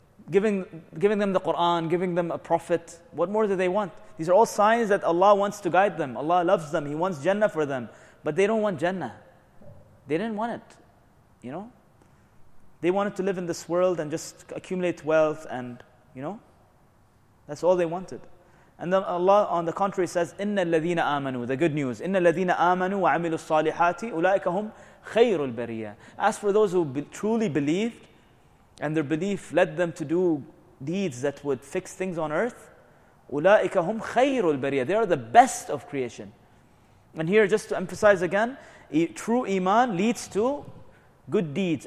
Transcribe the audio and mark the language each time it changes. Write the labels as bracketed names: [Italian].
[English] Giving them the Quran, giving them a prophet, what more do they want? These are all signs that Allah wants to guide them. Allah loves them. He wants Jannah for them. But they don't want Jannah. They didn't want it. They wanted to live in this world and just accumulate wealth and, that's all they wanted. And then Allah, on the contrary, says, [Arabic] إِنَّ الَّذِينَ آمَنُوا, [English] the good news, [Arabic] إِنَّ الَّذِينَ آمَنُوا وَعَمِلُوا الصَّالِحَاتِ أُولَٰئِكَ هُمْ خَيْرُ الْبَرِيَّةِ. [English] As for those who truly believed, and their belief led them to do deeds that would fix things on earth, [Arabic] أُولَٰئِكَ هُمْ خَيْرُ الْبَرِيَةِ. [English] They are the best of creation. And here, just to emphasize again, true iman leads to good deeds.